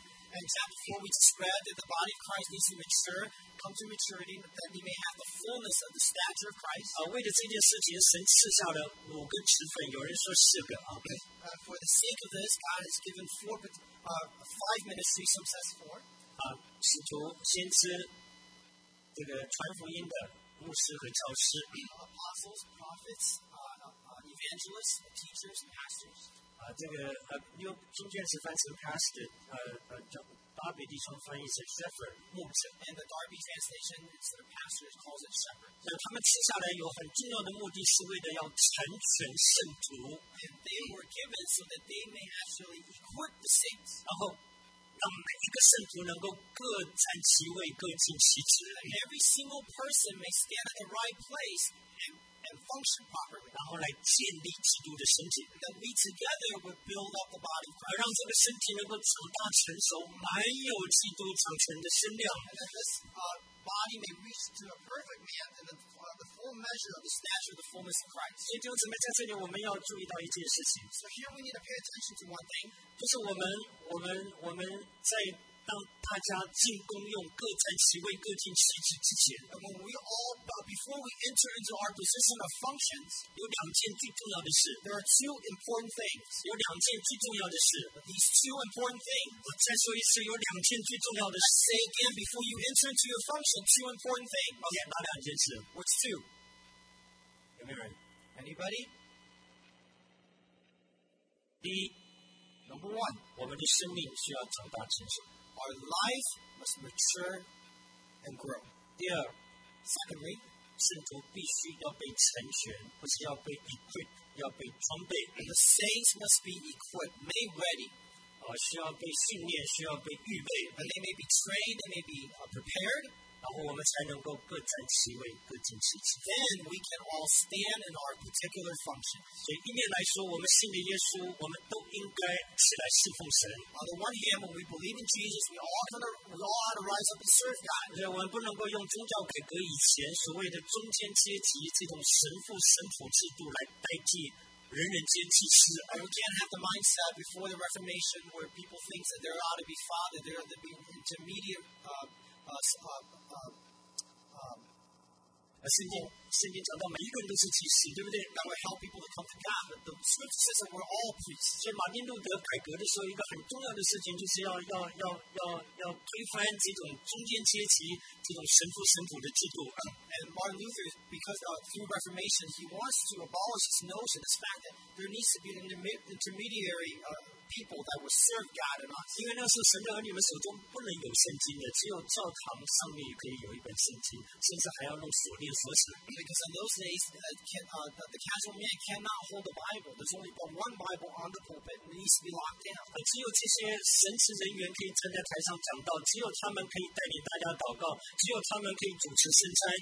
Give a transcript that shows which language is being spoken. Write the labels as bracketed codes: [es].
[en] And chapter 4, we just read that the body of Christ needs to mature, come to maturity, that he may have the fullness of the stature of Christ. [zh] 为了这件事情，神赐下了五个职分，有人说四个。Okay. [en] For the sake of this, God has given five ministries, some says four. [zh] 使徒、先知、这个传福音的牧师和教师。 [en] Apostles, prophets, evangelists, teachers, and pastors. [zh] 这个用中间是翻成 pastor， 达比弟兄翻译成 shepherd 牧者 [en] ，and the Darby translation instead of pastor calls it shepherd。 [zh] 那他们赐下来有很重要的目的是为了要成全圣徒 [en] ，and they were given so that they may actually equip the saints， [zh] 然后让每一个圣徒能够各站其位，各尽其职 [en] ，and every single person may stand at the right place。 Function properly, [zh] 然后来建立基督的身体 [en] ，that we together would build up the body, [zh] 而让这个身体能够长大成熟，满有基督长成的身量 [en] ，and that this body may reach to a perfect man and the full measure of the stature, the fullness of Christ. [zh] 弟兄姊妹，在这里我们要注意到一件事情 [en] ，so here we need to pay attention to one thing， [zh] 就是我们在当大家进攻用各站其位各尽其职之前 [en] ，when we all before we enter into our position of functions， [zh] 有两件最重要的事 [en] ，there are two important things。 [zh] 有两件最重要的事 [en] ，these two important things。 [zh] 我再说一次，有两件最重要的事。 [en] Say again before you enter into your function， two important things。 [zh] OK， 哪两件事 [en] ？What's two？ [zh] 有没有人 [en] ？Anybody？ [zh] 第一 [en] ，Number one， [zh] 我们的生命需要长大成熟。 [en] Our life must mature and grow. [zh] 第二 [en] ，secondly， [zh] 圣徒必须要被成全，不是要被 equip， 要被装备。 [en] And the saints must be equipped, made ready. [zh] 需要被训练，需要被预备。 [en] And they may be trained, they may be prepared. [zh] 然后我们才能够各站其位，各尽其职。 [en] Then we can all stand in our particular function. [zh] 所以一面来说，我们信了耶稣，我们都应该起来侍奉神。 [en] On the one hand, when we believe in Jesus, we all ought to rise up and serve God. [zh] 所以我们不能够用宗教改革以前所谓的中间阶级这种神父神父制度来代替。人人皆祭司。 [en] We can't have the mindset before the Reformation where people think that there ought to be father, there ought to be intermediate. [zh] Simply 讲到每一个人都是祭司，对不对 [en] ？That will help people to come to God. But the scripture says that we're all priests. [zh] 所以马丁路德改革的时候，一个很重要的事情就是要推翻这种中间阶级、这种神父神父的制度。 [en] And Martin Luther, because of through Reformation, he wants to abolish this notion, this fact that there needs to be an intermediary. People that will serve God and us. [zh] 因为那是神的儿女们手中不能有圣经的，只有教堂上面可以有一本圣经，甚至还要弄锁链锁起来。 [en] Because in those days, the casual man cannot hold the Bible. There's only but one Bible on the pulpit. It needs to be locked down. [zh] 只有这些神职人员可以站在台上讲道，只有他们可以带领大家祷告，只有他们可以主持圣餐。